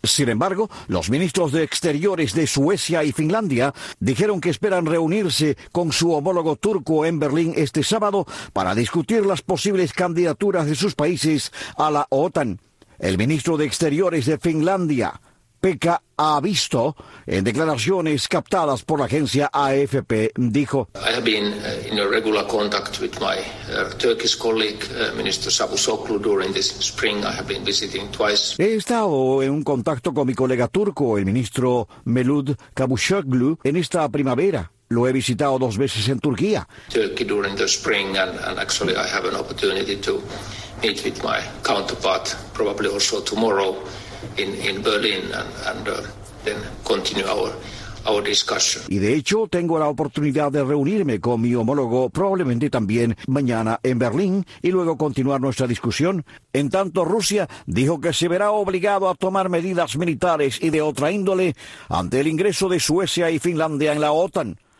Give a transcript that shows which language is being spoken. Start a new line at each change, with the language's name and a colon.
Spanish: Sin embargo, los ministros de Exteriores de Suecia y Finlandia dijeron que esperan reunirse con su homólogo turco en Berlín este sábado para discutir las posibles candidaturas de sus países a la OTAN. El ministro de Exteriores de Finlandia, Pekka Haavisto, en declaraciones captadas por la agencia AFP, dijo:
English: I have been in a regular contact with my Turkish colleague, Minister Çavuşoğlu, during this spring. I have been visiting twice.
Spanish: He estado en un contacto con mi colega turco, el ministro Melut Çavuşoğlu, en esta primavera. Lo he visitado dos veces en Turquía.
English: Turkey during the spring, and actually I have an opportunity to meet with my counterpart, probably also tomorrow. In Berlin and then continue our discussion.
Spanish: Y de hecho, tengo la oportunidad de reunirme con mi homólogo probablemente también mañana en Berlín y luego continuar nuestra discusión. En tanto, Rusia dijo que se verá obligado a tomar medidas militares y de otra índole ante el ingreso de Suecia y Finlandia en la OTAN.